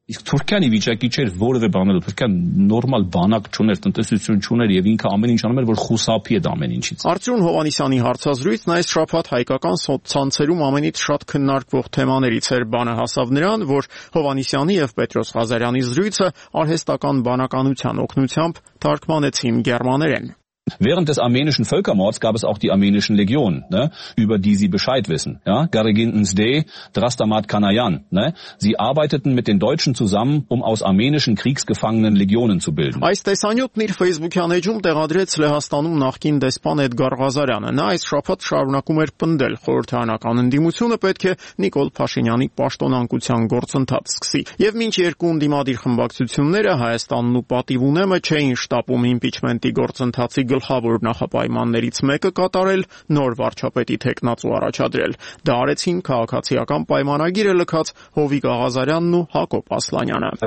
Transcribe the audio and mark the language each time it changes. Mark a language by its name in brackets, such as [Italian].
[Armenian] Իսկ Թուրքիան ի վիճակի չէր որևէ բանել, Թուրքիան նորմալ բանակ չուներ, տնտեսություն չուներ եւ ինքը ամեն ինչ անում էր, որ խուսափի էր ամեն ինչից։ Արտյուն Հովանեսյանի հարցազրույցն այս շաբաթ հայկական ցանցերում ամենից շատ քննարկվող թեմաներից էր, բանը հասավ նրան, որ Հովանեսյանի եւ Պետրոս Ղազարյանի զրույցը արհեստական բանականության օգնությամբ թարգմանեցին գերմաներեն։ [German] Während des armenischen Völkermords gab es auch die armenischen Legionen, ne, über die Sie Bescheid wissen. Ja, Garegin Nzde, Drastamat Kanayan. Ne, sie arbeiteten mit den Deutschen zusammen, um aus armenischen Kriegsgefangenen Legionen zu bilden. [Armenian] Այս տեսանյութն իր Facebook-յան էջում տեղադրեց Լեհաստանում նախկին դեսպան Էդգար Ղազարյանը։ Նա այս շաբաթ շարունակում էր պնդել, խորհրդանական ընդդիմությունը պետք է Նիկոլ Փաշինյանի պաշտոնանկության գործընթաց սկսի։ Եվ մինչ երկու ընդդիմադիր խմբակցությունները Հայաստանն ու պատիվ ունեմը չէին շտապում իմպիչմենտի գործընթացի գլխավոր նախապայմաններից մեկը կատարել, նոր վարչապետի թեկնածու առաջադրել։ Դա արեցին քաղաքացիական պայմանագիրը լքած Հովիկ Աղազարյանն ու Հակոբ Ասլանյանը։